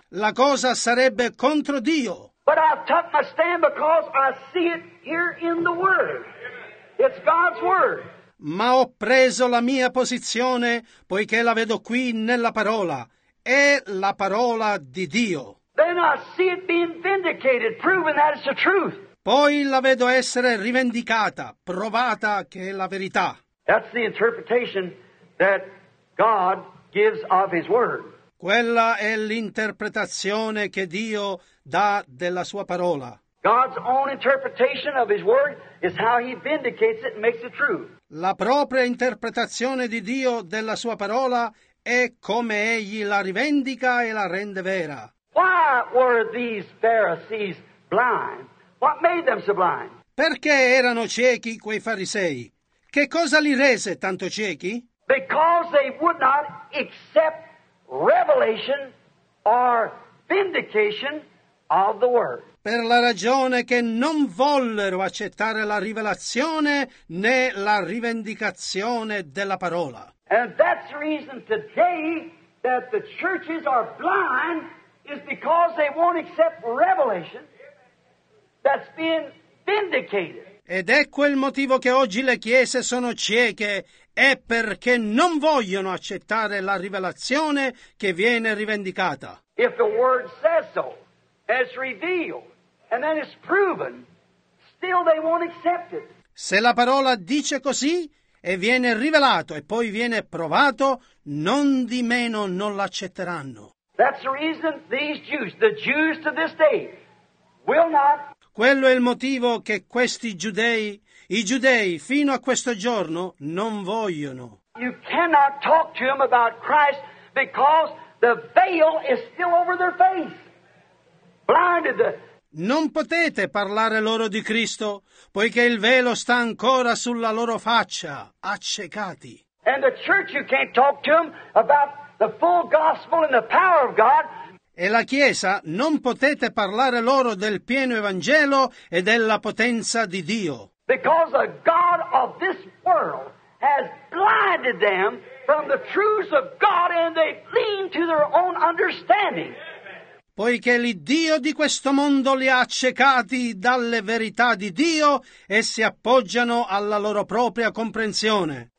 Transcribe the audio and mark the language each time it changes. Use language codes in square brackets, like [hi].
[it] La cosa sarebbe contro Dio. [en] But I took my stand because I see it here in the Word. It's God's Word. [it] Ma ho preso la mia posizione poiché la vedo qui nella parola. È la parola di Dio. [en] Then I see it being vindicated, proven that it's the truth. [it] Poi la vedo essere rivendicata, provata che è la verità. [en] That's the interpretation that God gives of His Word. [it] Quella è l'interpretazione che Dio dà della sua parola. [en] God's own interpretation of His Word is how He vindicates it and makes it true. [it] La propria interpretazione di Dio della sua parola è come Egli la rivendica e la rende vera. [en] Why were these Pharisees blind? What made them so blind? [it] Perché erano ciechi quei farisei? Che cosa li rese tanto ciechi? [en] Because they would not accept revelation or vindication of the Word. [it] Per la ragione che non vollero accettare la rivelazione né la rivendicazione della parola. [en] And that's the reason today that the churches are blind is because they won't accept revelation that's being vindicated. [it] Ed ecco il motivo che oggi le chiese sono cieche, è perché non vogliono accettare la rivelazione che viene rivendicata. [en] If the Word says so, as revealed, and then it's proven, still they won't accept it. [it] Se la parola dice così e viene rivelato e poi viene provato, non di meno non l'accetteranno. [en] That's the reason these Jews, the Jews to this day, will not. [it] Quello è il motivo che questi giudei, i giudei fino a questo giorno, non vogliono. [en] You cannot talk to them about Christ because the veil is still over their face. Blinded. [it] Non potete parlare loro di Cristo poiché il velo sta ancora sulla loro faccia, accecati. [en] And the church, you can't talk to them about the full gospel and the power of God. [it] E la Chiesa, non potete parlare loro del pieno Evangelo e della potenza di Dio. [en] Because the God of this world has blinded them from the truths of God and they cling to their own understanding. [it] Poiché l'Iddio di questo mondo li ha accecati dalle verità di Dio e si appoggiano alla loro propria comprensione.